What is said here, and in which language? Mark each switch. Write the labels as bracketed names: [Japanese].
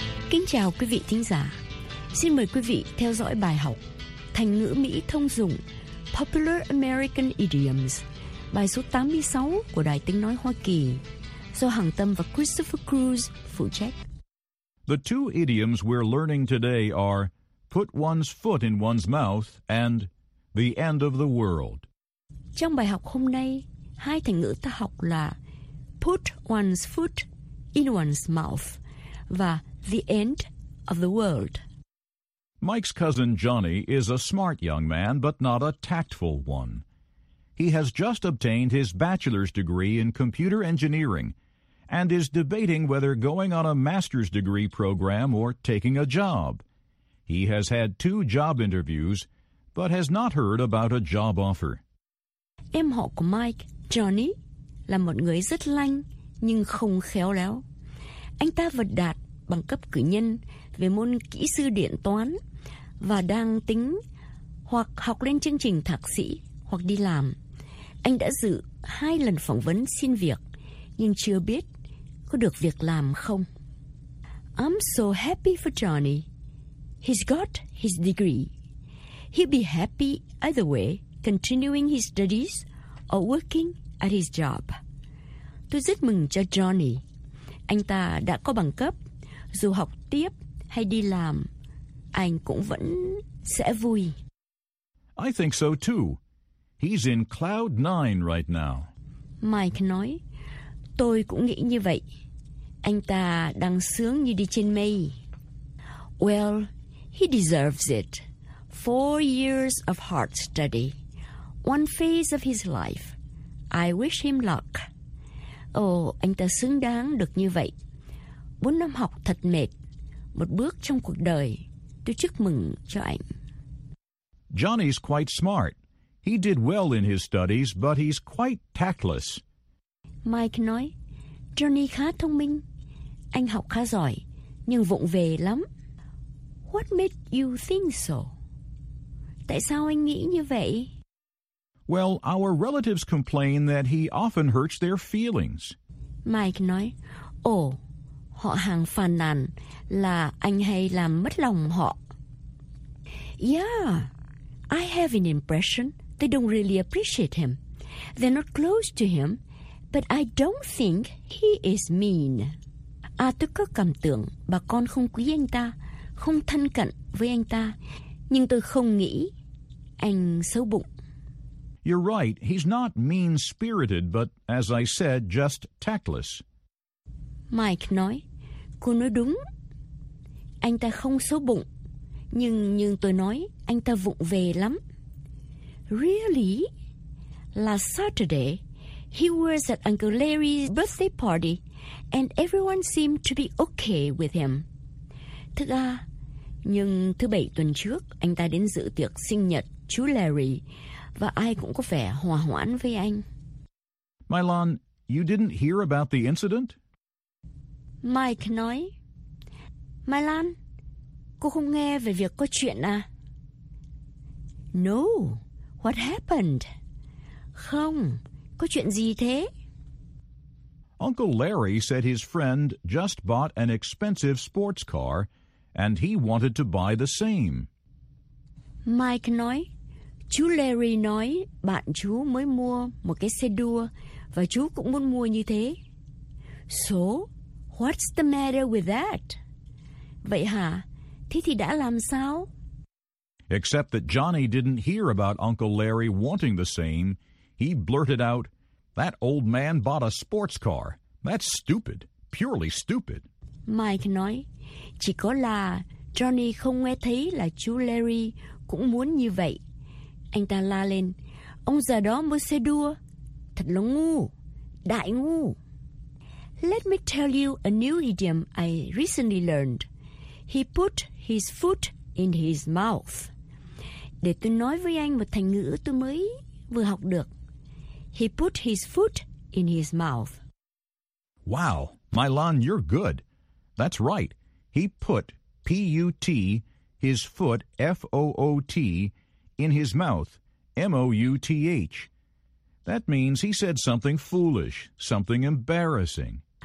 [Vietnamese] Kính chào quý vị thính giả. Xin mời quý vị theo dõi bài học Thành ngữ Mỹ thông dụng [English] Popular American Idioms, [Vietnamese] bài số 86 của Đài Tiếng Nói Hoa Kỳ, do Hằng Tâm và Christopher Cruz phụ trách. [English] The two idioms we're learning today are put one's foot in one's mouth and the end of the world. [Vietnamese] Trong bài học hôm nay, hai thành ngữ ta học là [English] put one's foot in one's mouth [Vietnamese] và [English] the end of the world. Mike's cousin Johnny is a smart young man, but not a tactful one. He has just obtained his bachelor's degree in computer engineering and is debating whether going on a master's degree program or taking a job. He has had two job interviews, but has not heard about a job offer. [Vietnamese] Em họ của Mike, Johnny, là một người rất lanh nhưng không khéo léo. Anh ta vừa đạt bằng cấp cử nhân về môn kỹ sư điện toán và đang tính hoặc học lên chương trình thạc sĩ hoặc đi làm. Anh đã dự hai lần phỏng vấn xin việc, nhưng chưa biết có được việc làm không. [English] I'm so happy for Johnny. He's got his degree. He'll be happy either way, continuing his studies or working at his job. [Vietnamese] Tôi rất mừng cho Johnny. Anh ta đã có bằng cấp. Dù học tiếp hay đi làm, anh cũng vẫn sẽ vui. [English] I think so too. He's in cloud nine right now. [Vietnamese] Mike nói, tôi cũng nghĩ như vậy. Anh ta đang sướng như đi trên mây. [English] Well, he deserves it 4 years of hard study, one phase of his life. I wish him luck. [Vietnamese] Anh ta xứng đáng được như vậy. 4 năm học thật mệt, một bước trong cuộc đời. Tôi chúc mừng cho anh. [English] Johnny's quite smart. He did well in his studies, but he's quite tactless. [Vietnamese] Mike nói, Johnny khá thông minh. Anh học khá giỏi, nhưng vụng về lắm. [English] What made you think so? [Vietnamese] Tại sao anh nghĩ như vậy? [English] Well, our relatives complain that he often hurts their feelings. [Vietnamese] Mike nói, họ hàng phàn nàn là anh hay làm mất lòng họ. [English] Yeah, I have an impression they don't really appreciate him. They're not close to him, but I don't think he is mean. [Vietnamese] Tôi có cảm tưởng bà con không quý anh ta, không thân cận với anh ta, nhưng tôi không nghĩ anh xấu bụng. [English] You're right, he's not mean-spirited, but as I said, just tactless. [Vietnamese] Mike nói, cô nói đúng. Anh ta không xấu bụng, nhưng tôi nói, anh ta vụng về lắm. [English] Really? Last Saturday, he was at Uncle Larry's birthday party, and everyone seemed to be okay with him. [Vietnamese] Thực ra, nhưng thứ bảy tuần trước, anh ta đến dự tiệc sinh nhật chú Larry, và ai cũng có vẻ hòa hoãn với anh. [English] Milan, you didn't hear about the incident? [Vietnamese] Mike nói, Milan, cô không nghe về việc có chuyện à? [English] No, what happened? [Vietnamese] Không, có chuyện gì thế? [English] Uncle Larry said his friend just bought an expensive sports car and he wanted to buy the same. [Vietnamese] Mike nói, chú Larry nói bạn chú mới mua một cái xe đua và chú cũng muốn mua như thế. [English] So, what's the matter with that? [Vietnamese] Vậy hả? Thế thì đã làm sao? [English] Except that Johnny didn't hear about Uncle Larry wanting the same. He blurted out, that old man bought a sports car. That's stupid. Purely stupid. [Vietnamese] Mike nói, chỉ có là Johnny không nghe thấy là chú Larry cũng muốn như vậy. Anh ta la lên, ông già đó mua xe đua. Thật là ngu, đại ngu. [English] Let me tell you a new idiom I recently learned. He put his foot in his mouth. [Vietnamese] Để tôi nói với anh một thành ngữ tôi mới vừa học được. [English] He put his foot in his mouth. Wow, Milan, you're good. That's right. He put, P-U-T, his foot, F-O-O-T, in his mouth, M-O-U-T-H. That means he said something foolish, something embarrassing.